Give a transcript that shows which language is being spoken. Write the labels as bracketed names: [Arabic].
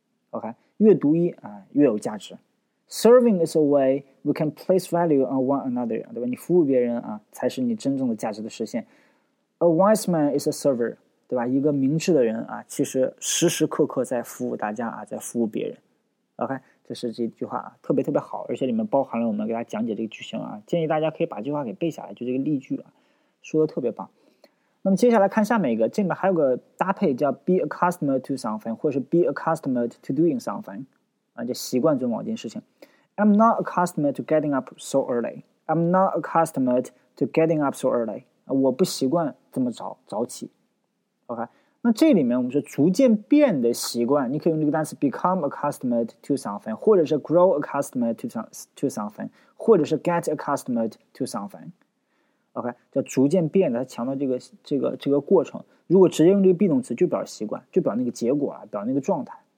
[Chinese] OK， 越独一啊越有价值。 [English] Serving is a way we can place value on one another， 对吧？ [Chinese] 你服务别人啊，才是你真正的价值的实现。 [English] A wise man is a server， 对吧？ [Chinese] 一个明智的人啊，其实时时刻刻在服务大家啊，在服务别人。 OK， 这是这句话啊，特别特别好，而且里面包含了我们给大家讲解这个句型啊，建议大家可以把这句话给背下来，就这个例句啊，说的特别棒。那么接下来看下面一个，这里面还有个搭配叫 be accustomed to something， 或是 [English] be accustomed to doing something， [Chinese] 啊，就习惯做某件事情。 [English] I'm not accustomed to getting up so early. I'm not accustomed to getting up so early. [Chinese] 我不习惯这么早起 ，OK？ 那这里面我们说逐渐变的习惯，你可以用这个单词 [English] become accustomed to something， [Chinese] 或者是 [English] grow accustomed to something， [Chinese] 或者是 [English] get accustomed to something， [Chinese] OK？、okay? 叫逐渐变的，它强调这个过程。如果直接用这个 be 动词，就表习惯，就表那个结果啊，表那个状态。